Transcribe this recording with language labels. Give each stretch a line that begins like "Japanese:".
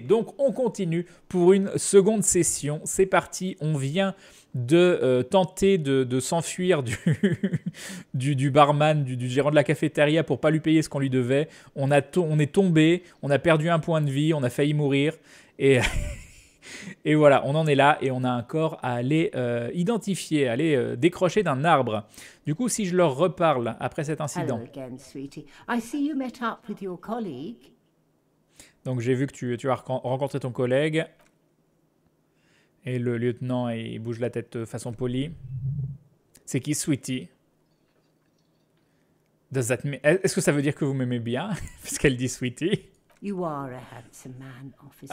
French: Donc on continue pour une seconde session, c'est parti, on vient de tenter de s'enfuir du barman, du gérant de la cafétéria pour pas lui payer ce qu'on lui devait. On est tombé, on a perdu un point de vie, on a failli mourir. Et voilà, on en est là et on a un corps à aller identifier, à aller décrocher d'un arbre. Du coup, si je leur reparle après cet incident...
English: Hello again, sweetie. I see you met up with your colleague.
French: Donc j'ai vu que tu as rencontré ton collègue... Et le lieutenant, il bouge la tête de façon polie. C'est qui, sweetie? Est-ce que ça veut dire que vous m'aimez bien? Parce qu'elle dit sweetie.
English: You are a handsome man, officer.